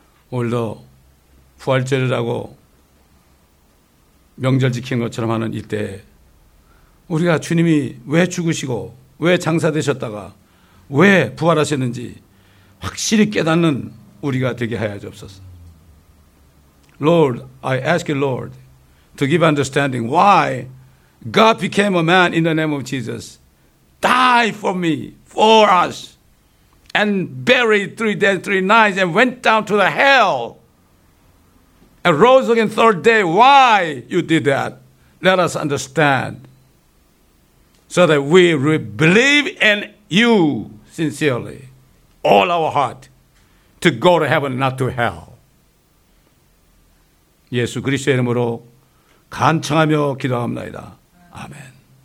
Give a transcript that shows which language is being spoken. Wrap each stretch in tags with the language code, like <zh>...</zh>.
<ko>오늘도 부활절이라고 명절 지킨 것처럼 하는 이때 우리가 주님이 왜 죽으시고 왜 장사되셨다가 왜 부활하셨는지 확실히 깨닫는 우리가 되게 하여 주옵소서.</ko> <en>Lord, I ask you, Lord, to give understanding why God became a man in the name of Jesus, died for me, for us, and buried 3 days, 3 nights, and went down to the hell, and rose again the third day. Why you did that? Let us understand so that we believe in you sincerely. All our heart to go to heaven, not to hell.</en> <ko>예수 그리스도의 이름으로 간청하며 기도합니다. 아멘.</ko>